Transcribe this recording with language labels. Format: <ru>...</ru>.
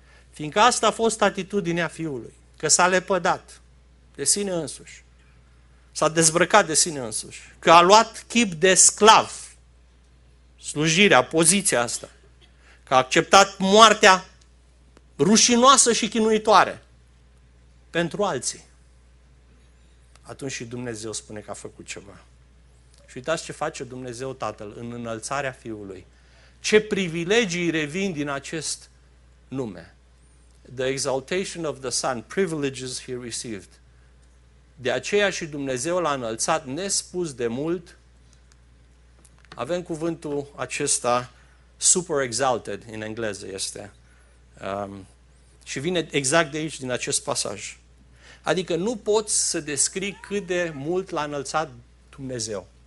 <ro>Fiindcă asta a fost atitudinea Fiului, că s-a lepădat de sine însuși, s-a dezbrăcat de sine însuși, că a luat chip de sclav, slujirea, poziția asta, că a acceptat moartea rușinoasă și chinuitoare pentru alții. Atunci și Dumnezeu spune că a făcut ceva. Și uitați ce face Dumnezeu Tatăl în înălțarea Fiului. Ce privilegii revin din acest nume.</ro> <en>The exaltation of the Son, privileges he received.</en> <ro>De aceea și Dumnezeu l-a înălțat nespus de mult. Avem cuvântul acesta, super exalted, în engleză este. Și vine exact de aici, din acest pasaj. Adică nu poți să descrii cât de mult l-a înălțat Dumnezeu.</ro>